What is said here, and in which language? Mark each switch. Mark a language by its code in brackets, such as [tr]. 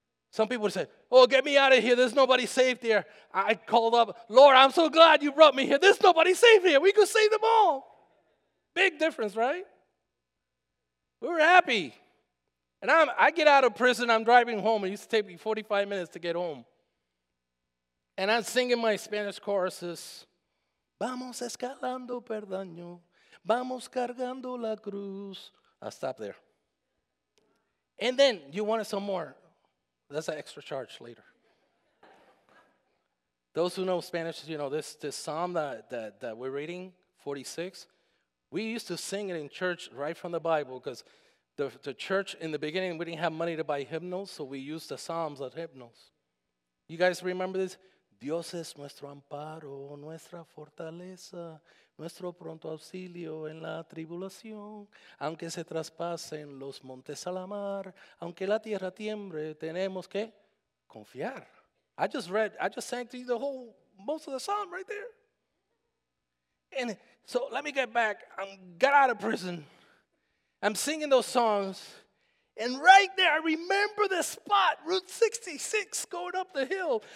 [en] Some people said, oh, get me out of here. There's nobody safe there. I called up, Lord, I'm so glad you brought me here. There's nobody safe here. We could save them all. Big difference, right? We were happy. And I get out of prison. I'm driving home. It used to take me 45 minutes to get home. And I'm singing my Spanish choruses. [es] Vamos escalando perdón. Vamos cargando la cruz. [en] I'll stop there. And then, you wanted some more. That's an extra charge later. Those who know Spanish, you know, this psalm that we're reading, 46, we used to sing it in church right from the Bible, because the church in the beginning, we didn't have money to buy hymnals, so we used the psalms as hymnals. You guys remember this? [es] Dios es nuestro amparo, nuestra fortaleza, nuestro pronto auxilio en la tribulación. Aunque se traspasen los montes a la mar, aunque la tierra tiemble, tenemos que confiar. [en] I just sang to you the whole, most of the psalm right there. And so let me get back. Got out of prison. I'm singing those songs. And right there, I remember the spot, Route 66 going up the hill.